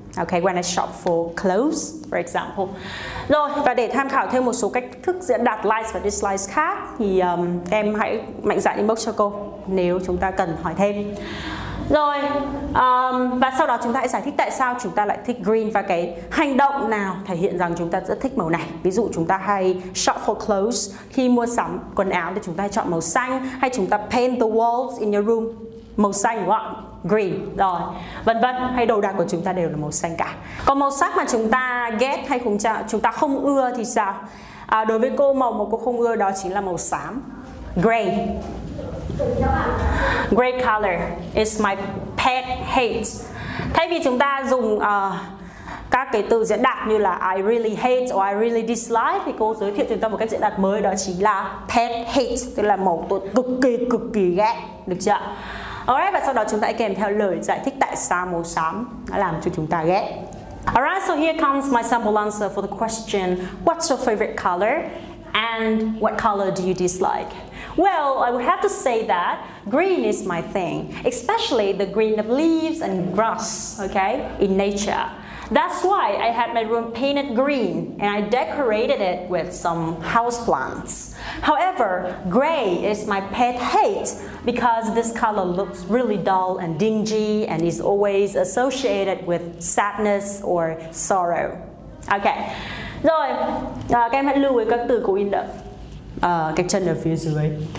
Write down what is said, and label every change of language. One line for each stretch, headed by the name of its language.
English: Okay, when I shop for clothes, for example.
Vietnamese: Rồi, và để tham khảo thêm một số cách thức diễn đạt likes và dislikes khác thì em hãy mạnh dạn inbox cho cô nếu chúng ta cần hỏi thêm. Rồi, và sau đó chúng ta hãy giải thích tại sao chúng ta lại thích green và cái hành động nào thể hiện rằng chúng ta rất thích màu này. Ví dụ chúng ta hay
English: shop for clothes,
Vietnamese: khi mua sắm quần áo thì chúng ta hay chọn màu xanh, hay chúng ta
English: paint the walls in your room
Vietnamese: màu xanh, đúng không ạ? Green, rồi, vân vân, hay đồ đạc của chúng ta đều là màu xanh cả. Còn màu sắc mà chúng ta ghét hay chúng ta không ưa thì sao? Đối với cô, màu mà cô không ưa đó chính là màu xám, gray.
English: Gray color is my pet hate.
Vietnamese: Thay vì chúng ta dùng các cái từ diễn đạt như là
English: I really hate or I really dislike
Vietnamese: thì cô giới thiệu chúng ta một cách diễn đạt mới, đó chính là pet hate, tức là màu tôi cực kỳ ghét, được chưa? Alright, và sau đó chúng ta hãy kèm theo lời giải thích tại sao màu xám đã làm cho chúng ta ghét.
English: Alright, so here comes my sample answer for the question, what's your favorite color and what color do you dislike? Well, I would have to say that green is my thing, especially the green of leaves and grass, okay, in nature. That's why I had my room painted green and I decorated it with some houseplants. However, gray is my pet hate because this color looks really dull and dingy and is always associated with sadness or sorrow.
Vietnamese: Okay, rồi, các em hãy lưu ý các từ cụ in đậm cái chân ở phía dưới.